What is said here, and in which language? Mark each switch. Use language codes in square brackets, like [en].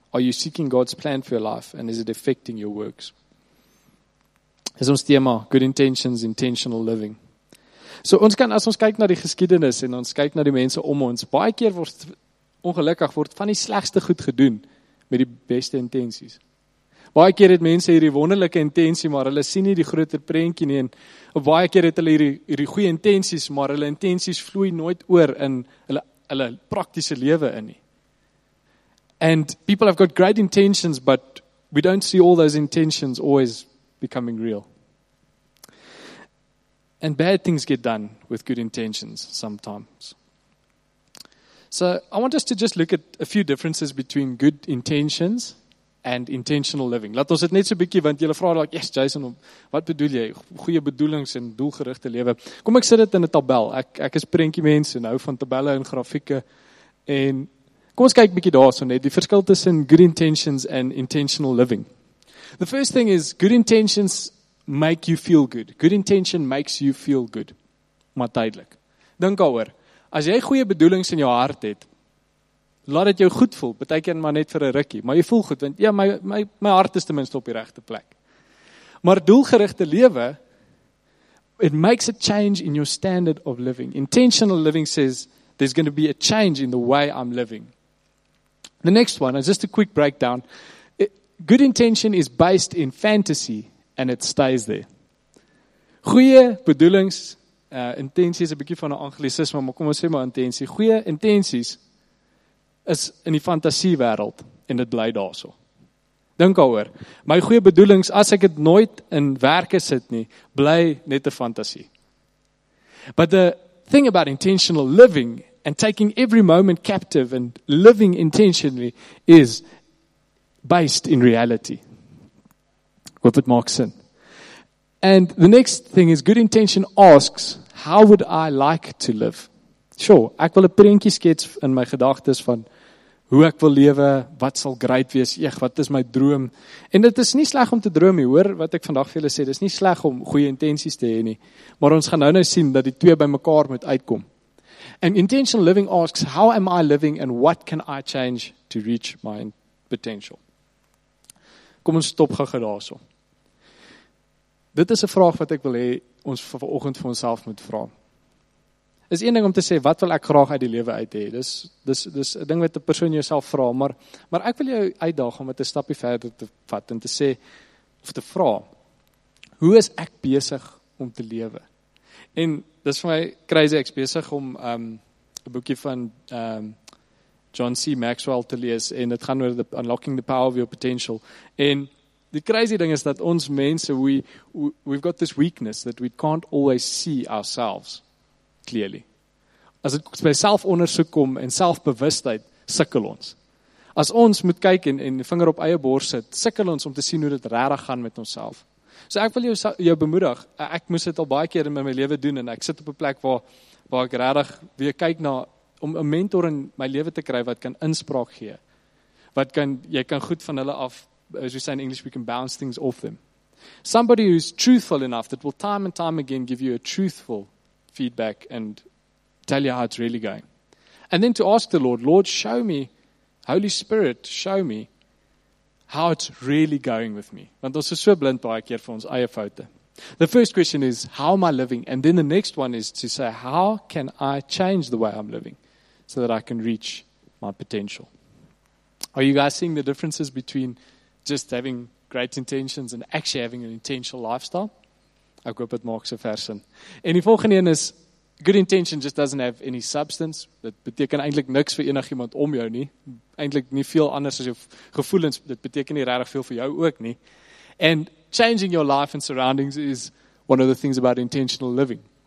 [en] Are you seeking God's plan for your life and is it affecting your works? [af] Is ons tema, [en] good intentions, intentional living. [af] So ons kan, as ons kyk na die geskiedenis en ons kyk na die mense om ons, baie keer word, ongelukkig word van die slegste goed gedoen met die beste intenties. Baie keer het mense hierdie wonderlike intentie, maar hulle sien nie die groter prentjie nie. En baie keer het hulle hierdie goeie intenties, maar hulle intenties vloei nooit oor in hulle praktiese lewe in nie. [en] And people have got great intentions, but we don't see all those intentions always becoming real. And bad things get done with good intentions sometimes. So I want us to just look at a few differences between good intentions and intentional living. [af] Laat ons dit net so 'n bietjie, want julle vra dalk, yes Jason, wat bedoel jy? Goeie bedoelings en doelgerigte lewe. Kom ek sit dit in 'n tabel. Ek is prentjie mens en hou van tabelle en grafieke. En kom ons kyk bietjie daarso net die verskil tussen [en] good intentions and intentional living. The first thing is good intentions make you feel good. Good intention makes you feel good. [af] Maar tydelik. Dink daaroor. As jy goeie bedoelings in jou hart het, laat dit jou goed voel, partykeer maar net vir 'n rukkie, maar jy voel goed want ja, my hart is ten minste op die regte plek. Maar doelgerigte lewe, [en] it makes a change in your standard of living. Intentional living says there's going to be a change in the way I'm living. The next one is just a quick breakdown. Good intention is based in fantasy and it stays there. [af] Goeie bedoelings, intentie is 'n bietjie van 'n anglisisme, maar kom ons sê maar intentie. Goeie intensies is in die fantasie wêreld en dit bly daarso. Dink daaroor. My goeie bedoelings, as ek dit nooit in werke sit nie, bly net 'n fantasie. [en] But the thing about intentional living and taking every moment captive and living intentionally is based in reality. [af] Hoop dit maak sin. [en] And the next thing is good intention asks, how would I like to live? [af] Sure, ek wil 'n prentjie skets in my gedagtes van hoe ek wil lewe, wat sal great wees, wat is my droom? En dit is nie sleg om te droom nie, hoor, wat ek vandag vir julle sê, dis nie sleg om goeie intensies te hê nie. Maar ons gaan nou sien dat die twee by mekaar moet uitkom. [en] And intentional living asks, how am I living and what can I change to reach my potential? [af] Kom ons stop gou daarso. Dit is 'n vraag wat ek wil hê ons vanoggend vir onsself moet vra. Is een ding om te sê, wat wil ek graag uit die lewe uit hê? Dis 'n ding wat 'n persoon jouself vra, maar ek wil jou uitdaag om dit 'n stapje verder te vat en te sê, of te vra, hoe is ek besig om te lewe? En dis vir my crazy, ek is besig om 'n boekie van John C. Maxwell te lees, en dit gaan oor the Unlocking the Power of Your Potential. En die crazy ding is dat ons mense, [en] we've got this weakness that we can't always see ourselves clearly. [af] As het by selfondersoek kom en selfbewustheid, sukkel ons. As ons moet kyk en die vinger op eie bors sit, sukkel ons om te sien hoe dit regtig gaan met onsself. So ek wil jou bemoedig, ek moes dit al baie keer in my lewe doen en ek sit op 'n plek waar ek regtig weer kyk na om 'n mentor in my lewe te kry wat kan inspraak gee. Wat kan, jy kan goed van hulle af, [en] as we say in English, we can bounce things off them. Somebody who's truthful enough that will time and time again give you a truthful feedback and tell you how it's really going. And then to ask the Lord, Lord, show me, Holy Spirit, show me how it's really going with me. [af] Want ons is so blind baie keer vir ons eie foute. [en] The first question is, how am I living? And then the next one is to say, how can I change the way I'm living so that I can reach my potential? Are you guys seeing the differences between just having great intentions and actually having an intentional lifestyle? [af] Ek hoop het maak so ver sin. En die volgende een is, [en] good intention just doesn't have any substance. [af] Dit beteken eintlik niks vir enig iemand om jou nie. Eintlik nie veel anders as jou gevoelens. Dit beteken nie regtig veel vir jou ook nie. [en] And changing your life and surroundings is one of the things about intentional living.